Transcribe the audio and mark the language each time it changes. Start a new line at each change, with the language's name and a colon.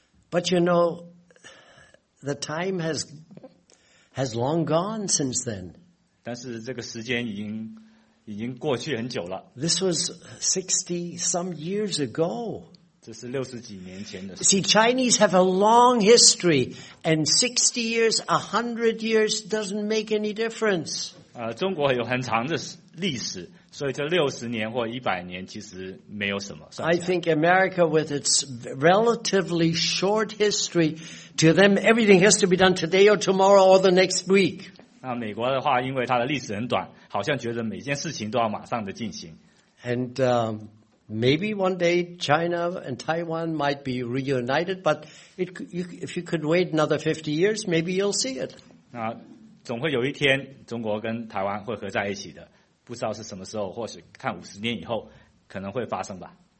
English: But you know, the time has long gone since then.
Chinese: 但是这个时间已经过去很久了。
English: This was 60 some years ago. See, Chinese have a long history, and 60 years, 100 years doesn't make any difference.
Chinese: 中国有很长的历史，所以这60年或100年其实没有什么。
English: I think America, with its relatively short history, to them, everything has to be done today or tomorrow or the next week.
Chinese: 那美国的话，因为它的历史很短，好像觉得每件事情都要马上的进行。
English: And, maybe one day China and Taiwan might be reunited, but if you could wait another 50 years, maybe you'll see it.
Chinese: 那总会有一天中国跟台湾会合在一起的，不知道是什么时候，或许看50年以后可能会发生吧。